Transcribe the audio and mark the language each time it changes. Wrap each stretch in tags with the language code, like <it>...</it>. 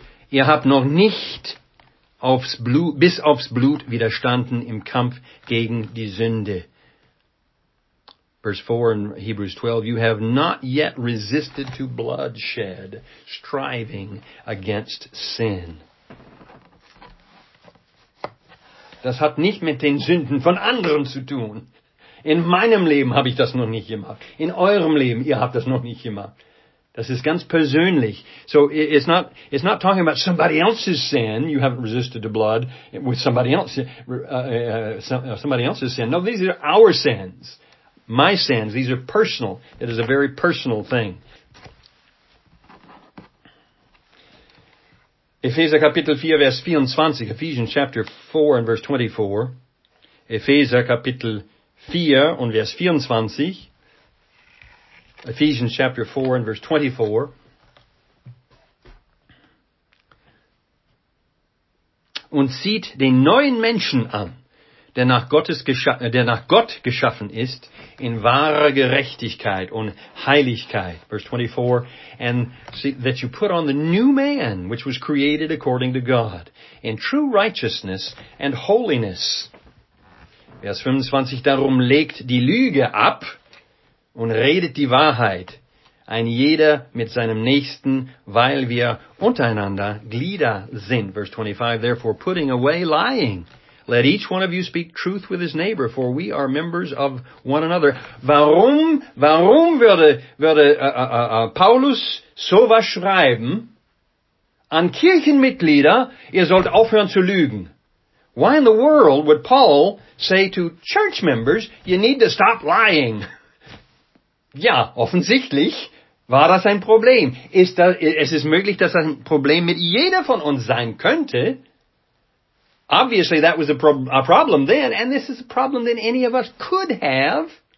<de>Ihr habt noch nicht bis aufs Blut widerstanden im Kampf gegen die Sünde.</de> <en>Verse 4 in Hebrews 12. You have not yet resisted to bloodshed, striving against sin.</en> <de>Das hat nicht mit den Sünden von anderen zu tun. In meinem Leben habe ich das noch nicht gemacht. In eurem Leben, ihr habt das noch nicht gemacht. Das ist ganz persönlich.</de> <en>So it's not talking about somebody else's sin. You haven't resisted the blood with somebody else's sin. No, these are our sins. My sins. These are personal. It is a very personal thing.</en> <de>Epheser Kapitel 4, Vers 24,</de> <en>Ephesians chapter 4 and verse 24.</en> <de>Epheser Kapitel 4 und Vers 24.</de> <en>Ephesians chapter 4 and verse 24.</en> <de>Und zieht den neuen Menschen an, der nach Gott geschaffen ist, in wahrer Gerechtigkeit und Heiligkeit.</de> <en>Verse 24, and see that you put on the new man, which was created according to God, in true righteousness and holiness.</en> <de>Vers 25, darum legt die Lüge ab und redet die Wahrheit, ein jeder mit seinem Nächsten, weil wir untereinander Glieder sind.</de> <en>Verse 25, therefore putting away lying, let each one of you speak truth with his neighbor, for we are members of one another.</en> <de>Warum würde Paulus sowas schreiben an Kirchenmitglieder, ihr sollt aufhören zu lügen?</de> <en>Why in the world would Paul say to church members, you need to stop lying?</en> <de>Ja, offensichtlich war das ein Problem. Es ist möglich, dass das ein Problem mit jeder von uns sein könnte.</de> <en>Obviously, that was a problem then, and this is a problem that any of us could have.</en>